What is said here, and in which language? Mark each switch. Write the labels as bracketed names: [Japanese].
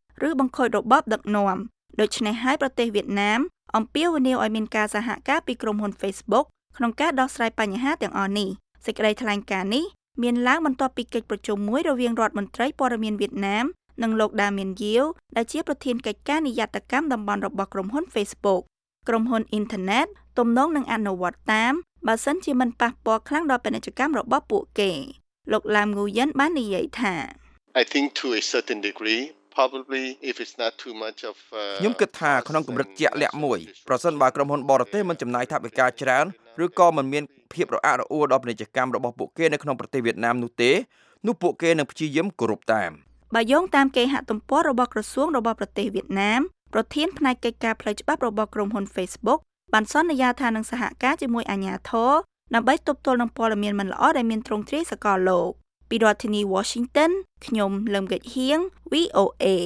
[Khmer] ឬបង្ខូចរបបដឹកនាំដូច្នេះហើយប្រទេសវៀតណាមអំពាវនាវឲ្យមានការសហការពីក្រុមហ៊ុន Facebook ក្នុងការដោះស្រាយបញ្ហាទាំងអស់នេះសេចក្តីថ្លែងការណ៍នេះមានឡើងបន្ទាប់ពីកិច្ចប្រជុំមួយរវាងរដ្ឋមន្ត្រីព័ត៌មានវៀតណាមនិងលោកដាមៀនយាវដែលជាប្រធានកិច្ចការនិយ័តកម្មតំបន់របស់ក្រុមហ៊ុន Facebook ក្រុមហ៊ុនអ៊ីនធឺណិតទំនងនឹងអនុវត្តតាមបើសិនជាមិនប៉ះពាល់ខ្លាំងដល់ពាណិជ្ជកម្មរបស់ពួកគេលោកឡាមងូយិនបាននិយាយថា [English] I think to a certain degree probably if it's not too much of [Khmer] ខ្ញុំគិតថាក្នុងកម្រិតជាក់លាក់មួយប្រសិនបើក្រុមហ៊ុនបរទេសមិនចំណាយថវិកាច្រើនឬក៏មិនមានភាពរអាក់រអួលដល់ពាណិជ្ជកម្មរបស់ពួកគេនៅក្នុងប្រទេសវៀតណាមនោះទេនោះពួកគេនឹងព្យាយាមគោរពតាម បើយោងតាមគេហទំព័ររបស់ក្រសួងរបស់ប្រទេសវៀតណាម ប្រធានផ្នែកកិច្ចការផ្លូវច្បាប់របស់ក្រុមហ៊ុន Facebook បានសន្យាថានឹងសហការជាមួយអាជ្ញាធរដើម្បីទប់ទល់នឹងព័ត៌មានមិនល្អដែលមានទ្រង់ទ្រាយសកលលោកពីរដ្ឋធានី Washington ខ្ញុំលឹមកិច្ចហៀង VOA